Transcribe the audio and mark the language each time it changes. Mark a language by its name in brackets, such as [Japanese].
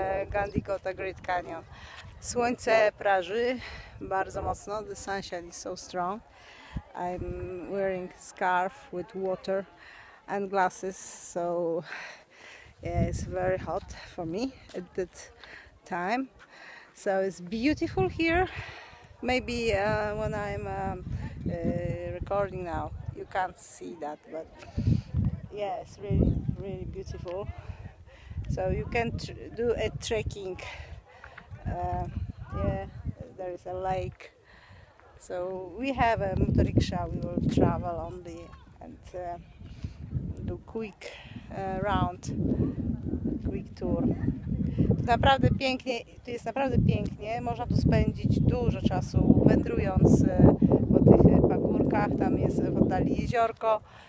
[Polish] Gandikota Great Canyon. Słońce praży bardzo mocno. [English] The sunshine is so strong. I'm wearing scarf with water and glasses, so yeah, it's very hot for me at that time. So it's beautiful here. Maybe when I'm recording now, you can't see that, but yeah, it's really, really beautiful. So you can do a trekking. Yeah, there is a lake. So we have a motorikshaw. We will travel on the and do quick round, quick tour. [Polish] Naprawdę pięknie. Tu jest naprawdę pięknie. Można tu spędzić dużo czasu wędrując po tych pagórkach. Tam jest w oddali jeziorko.